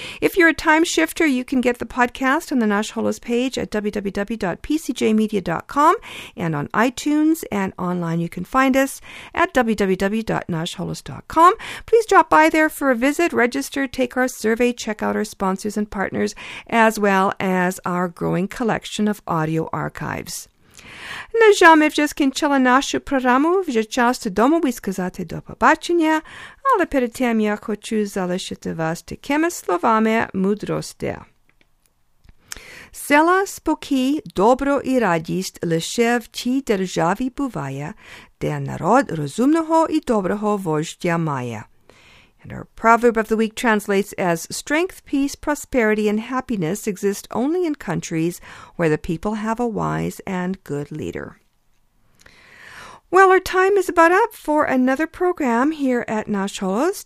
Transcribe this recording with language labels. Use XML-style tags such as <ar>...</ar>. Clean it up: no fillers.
<en>If you're a time shifter, you can get the podcast on the Nasholos page at www.pcjmedia.com and on iTunes, and online you can find us at www.nasholos.com. Please drop by there for a visit, register, take our survey, check out our sponsors and partners, as well as our growing collection of audio archives.</en> <uk>Наша ми вже скінчили нашу програму, вже час додому, ви сказати до побачення, але перед тим я хочу залишити вас такими словами мудрості. Села спокій, добро і радість лише в тій державі буває, де народ розумного і доброго вождя має.</uk> <en>And our proverb of the week translates as, strength, peace, prosperity, and happiness exist only in countries where the people have a wise and good leader. Well, our time is about up for another program here at Nasholos.</en>